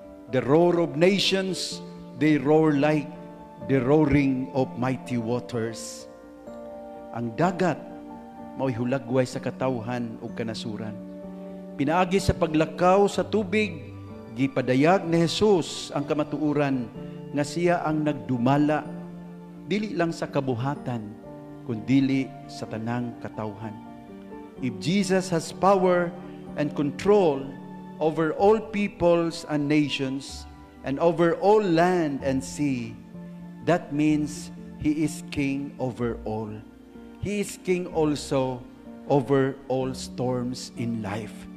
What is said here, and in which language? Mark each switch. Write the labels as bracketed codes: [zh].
[en] The roar of nations, they roar like the roaring of mighty waters." [ceb] Ang dagat mao'y hulagway sa katawhan o kanasuran. Pinaagi sa paglakaw sa tubig, gipadayag ni Jesus ang kamatuuran nga siya ang nagdumala dili lang sa kabuhatan kundili sa tanang katawhan. [en] If Jesus has power and control over all peoples and nations and over all land and sea, that means He is King over all. He is King also over all storms in life.